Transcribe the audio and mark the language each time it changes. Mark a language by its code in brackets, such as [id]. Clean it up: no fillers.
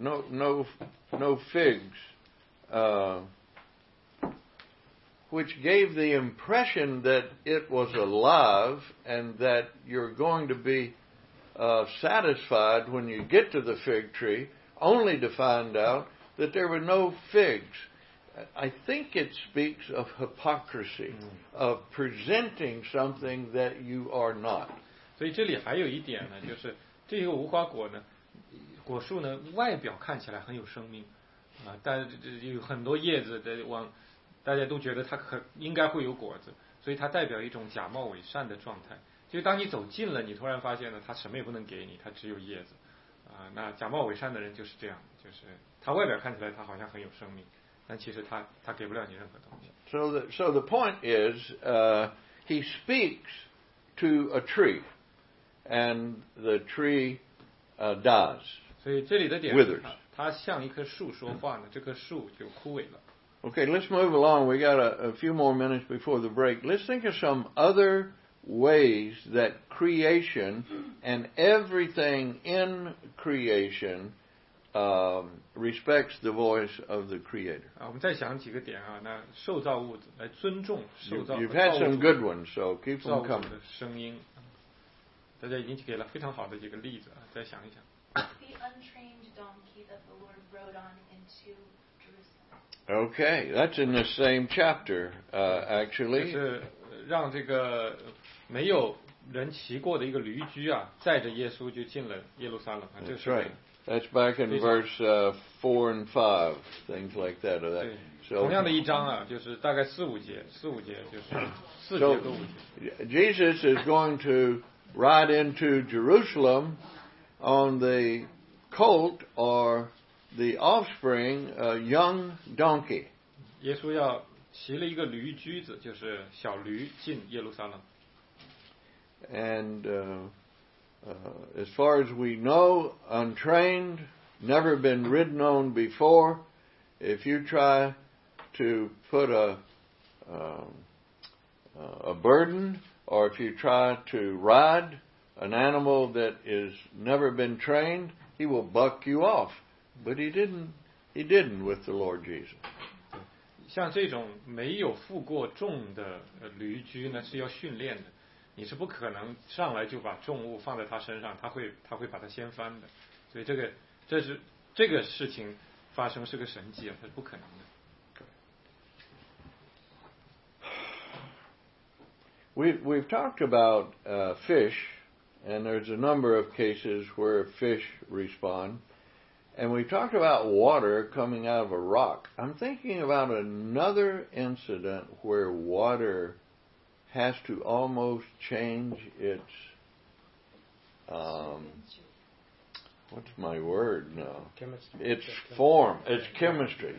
[en] No figs, which gave the impression that it was alive and that you're going to be satisfied when you get to the fig tree, only to find out that there were no figs. I think it speaks of hypocrisy, of presenting something that you are not. [zh] 所以这里还有一点呢，就是这个无花果呢，果树呢，外表看起来很有生命，啊，但有很多叶子的往，大家都觉得它可应该会有果子，所以它代表一种假冒伪善的状态。就当你走近了，你突然发现呢，它什么也不能给你，它只有叶子，啊，那假冒伪善的人就是这样，就是它外表看起来它好像很有生命。但其实他给不了你任何东西。 [en] So the point is, he speaks to a tree, and the tree dies. [zh] 所以这里的点是 [en] withers. [zh] 他向一棵树说话呢，这棵树就枯萎了。 [en] Okay, let's move along. We got a few more minutes before the break. Let's think of some other ways that creation and everything in creation respects the voice of the creator. [zh] 啊，我们再想几个点啊，那受造物来尊重受造物。 [en] You've had some good ones, so keep them coming. [zh] 的声音，大家已经给了非常好的几个例子啊，再想一想。 [en] The untrained donkey that the Lord rode on into Jerusalem. Okay, that's in the same chapter, actually. [zh] 就是让这个没有人骑过的一个驴驹啊，载着耶稣就进了耶路撒冷啊，这是。 [en] That's back in verse 4 and 5, things like that. Or that. [zh] 同样的一章啊，就是大概四五节，四五节就是四节和五节。 [en] Jesus is going to ride into Jerusalem on the colt or the offspring, a young donkey. [zh] 耶稣要骑了一个驴驹子，就是小驴进耶路撒冷。 [en] And as far as we know, untrained, never been ridden on before. If you try to put a burden, or if you try to ride an animal that is never been trained, he will buck you off. But he didn't with the Lord Jesus. [zh] 像这种没有负过重的驴驹呢，是要训练的。你是不可能上来就把重物放在他身上，他会把他掀翻的，所以这个事情发生是个神迹啊，它是不可能的。 [en] We've talked about fish, and there's a number of cases where fish respond, and we've talked about water coming out of a rock. I'm thinking about another incident where water has to almost change its chemistry.